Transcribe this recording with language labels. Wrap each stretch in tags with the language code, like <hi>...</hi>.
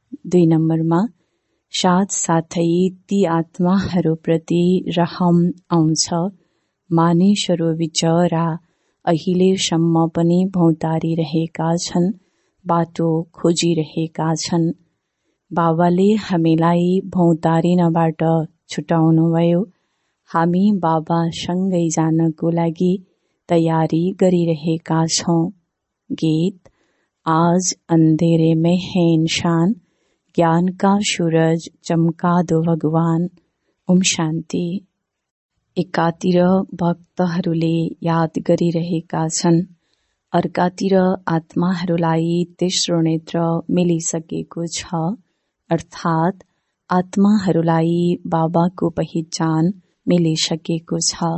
<ne>दुई नम्बरमा, साथ साथै ती आत्माहरूप्रति रहम आउँछ, मानिसहरू विचरा अहिलेसम्म पनि भौतारिरहेका छन्, बाटो खोजिरहेका छन्। बाबाले हामीलाई भौतारिनबाट छुटाउनुभयो, हामी बाबासँगै जानको लागि तयारी गरिरहेका छौँ।</ne> <hi>गीत: आज अन्धेरे में है इंसान, ज्ञान का सूरज चमका दो भगवान।</hi> <ne>ओम शांति। एकातिर भक्तहरूले याद गरिरहेका छन्, अर्कातिर आत्माहरूलाई तेस्रो नेत्र मिलिसकेको छ, अर्थात् आत्माहरूलाई बाबाको पहिचान मिलिसकेको छ।</ne>